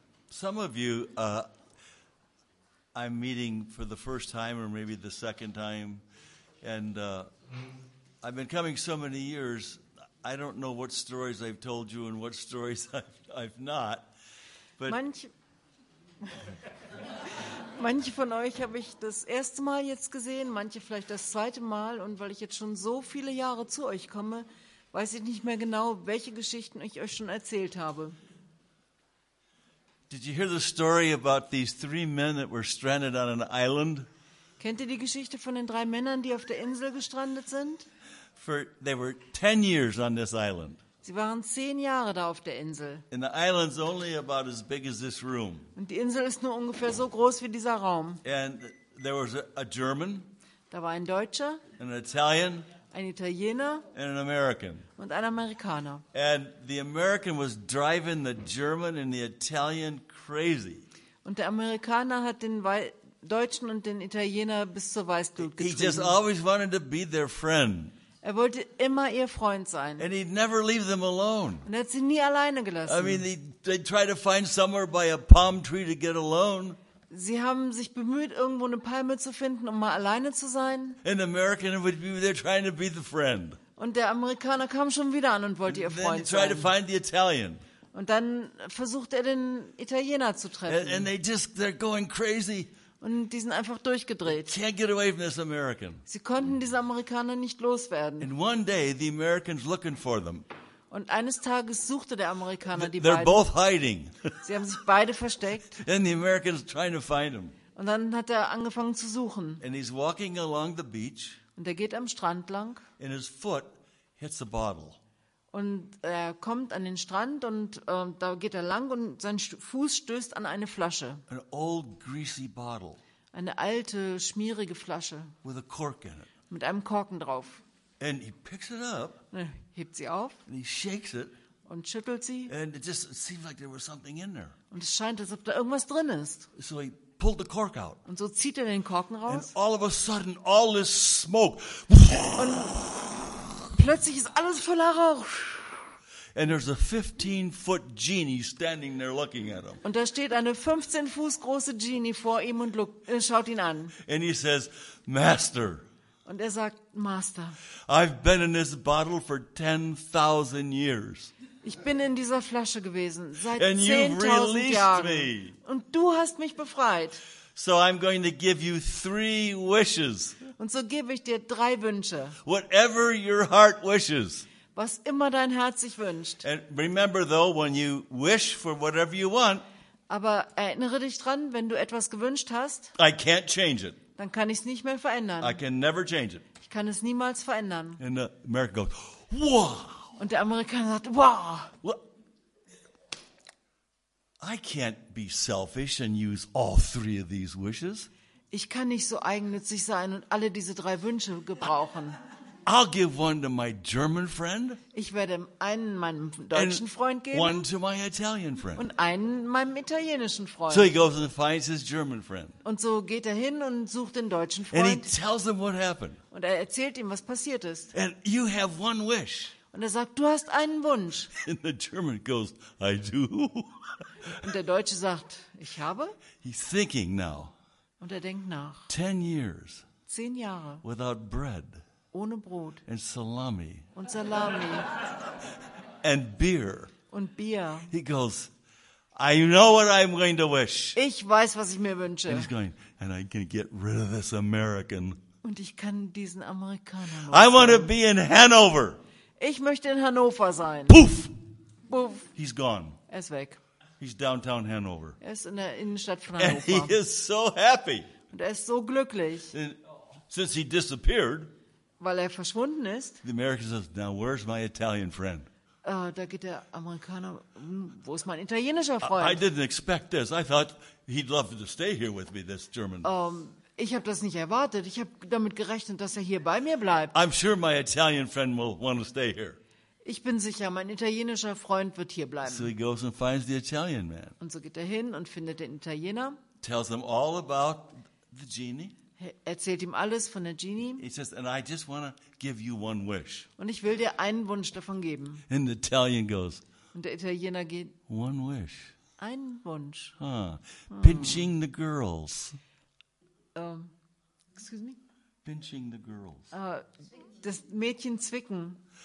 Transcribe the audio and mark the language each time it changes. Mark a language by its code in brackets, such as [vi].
[en] Some of you I'm meeting for the first time or maybe the second time, and I've been coming so many years, I don't know what stories I've told you and what stories I've not. But [de] Manche von euch habe ich das erste Mal jetzt gesehen, manche vielleicht das zweite Mal, und weil ich jetzt schon so viele Jahre zu euch komme, weiß ich nicht mehr genau, welche Geschichten ich euch schon erzählt habe. [en] Did you hear the story about these three men that were stranded on an island? [de] Kennt ihr die Geschichte von den drei Männern, die auf der Insel gestrandet sind? [en] For they were 10 years on this island. [de] Sie waren 10 Jahre da auf der Insel. [en] And the island's only about as big as this room. [de] Und die Insel ist nur ungefähr so groß wie dieser Raum. [en] And there was a German. [de] Da war ein Deutscher. [en] An Italian. [de] Ein Italiener. [en] And an American. [de] Und ein Amerikaner. [en] And the American was driving the German and the Italian crazy. [de] Und der Amerikaner hat den Deutschen und den Italiener bis zur Weißglut getrieben. [en] He just always wanted to be their friend. [de] Er wollte immer ihr Freund sein. [en] And he'd never leave them alone. [de] Und er hat sie nie alleine gelassen. [en] I mean, they try to find somewhere by a palm tree to get alone. [de] Sie haben sich bemüht, irgendwo eine Palme zu finden, um mal alleine zu sein. [en] An American would be there trying to be the friend. [de] Und der Amerikaner kam schon wieder an und wollte ihr Freund sein. [en] Then he tried to find the Italian. [de] Und dann versucht er, den Italiener zu treffen. [en] And they're going crazy. [de] Und die sind einfach durchgedreht. [en] Can't get away from this American. [de] Sie konnten diese Amerikaner nicht loswerden. [en] And one day the American's looking for them. [de] Und eines Tages suchte der Amerikaner die [en] They're Both hiding. [de] Sie haben sich beide versteckt. [en] And the American's trying to find them. [de] Und dann hat er angefangen zu suchen. [en] And he's walking along the beach. [de] Und er geht am Strand lang. [en] And his foot hits a bottle. [de] Und er kommt an den Strand und da geht er lang und sein Fuß stößt an eine Flasche. [en] An old, greasy bottle. [de] Eine alte, schmierige Flasche. [en] With a cork in it. [de] Mit einem Korken drauf. [en] And he picks it up. [de] Und er hebt sie auf. [en] And he shakes it. [de] Und schüttelt sie. [en] And it just seemed like there was something in there. [de] Und es scheint, als ob da irgendwas drin ist. [en] So he pulled the cork out. [de] Und so zieht er den Korken raus. [en] And all of a sudden, all this smoke. [de] Und plötzlich ist alles voller Rauch. [en] And there's a 15-foot genie standing there looking at him. [de] Und da steht eine 15 Fuß große Genie vor ihm und schaut ihn an. [en] And he says, Master. [de] Und er sagt, Master. [en] I've been in this bottle for 10,000 years. [de] Ich bin in dieser Flasche gewesen seit 10,000 Jahren. Und du hast mich befreit. [en] So I'm going to give you 3 wishes. [de] Und so gebe ich dir 3 Wünsche. [en] Whatever your heart wishes. [de] Was immer dein Herz sich wünscht. [en] And remember though, when you wish for whatever you want. [de] Aber erinnere dich dran, wenn du etwas gewünscht hast. [en] I can't change it. [de] Dann kann ich es nicht mehr verändern. [en] I can never change it. [de] Ich kann es niemals verändern. [en] And the American goes, wow. [de] Und der Amerikaner sagt, wow. [en] I can't be selfish and use all 3 of these wishes. [de] Ich kann nicht so eigennützig sein und alle diese 3 Wünsche gebrauchen. [en] I'll give one to my German friend. [de] Ich werde einen meinem deutschen Freund geben. [en] One to my Italian friend. [de] Und einen meinem italienischen Freund. [en] So he goes and finds his German friend. [de] Und so geht er hin und sucht den deutschen Freund. [en] And he tells him what happened. [de] Und er erzählt ihm, was passiert ist. [en] And you have one wish. [de] Und er sagt, du hast einen Wunsch. [en] And the German goes, I do. [de] Und der Deutsche sagt, ich habe. [en] He's thinking now. [de] Und er denkt nach. [en] 10 years. [de] 10 Jahre. [en] Without bread. [de] Ohne Brot. [en] And salami. [de] Und Salami. [en] And beer. [de] Und Bier. [en] He goes, I know what I'm going to wish. [de] Ich weiß, was ich mir wünsche. [en] And he's going, and I can get rid of this American. [de] Und ich kann diesen Amerikaner los. [en] I want to be in Hanover. [de] Ich möchte in Hannover sein. [en] Poof. [de] Poof. [en] He's gone. [de] Er ist weg. [en] He's downtown Hanover. [de] Er ist in der Innenstadt von [en] Hannover. And he is so happy. [de] Und er ist so glücklich. [en] And since he disappeared, [de] weil er verschwunden ist, [en] the American says, now where's my Italian friend? [de] Da geht der Amerikaner, wo ist mein italienischer Freund? [en] I didn't expect this. I thought he'd love to stay here with me, this German. [de] Ich habe das nicht erwartet. Ich habe damit gerechnet, dass er hier bei mir bleibt. [en] I'm sure my Italian friend will want to stay here. [de] Ich bin sicher, mein italienischer Freund wird hier bleiben. [en] So he goes and finds the Italian man. [de] Und so geht er hin und findet den Italiener. [en] Tells him all about the genie. [de] Erzählt ihm alles von der Genie. [en] He says, and I just want to give you one wish. [de] Und ich will dir einen Wunsch davon geben. [en] And the Italian goes. [de] Und der Italiener geht. [en] One wish. [de] Ein Wunsch. [en] Huh. Pinching the girls. Excuse me? Pinching the girls. [de] Das Mädchen zwicken.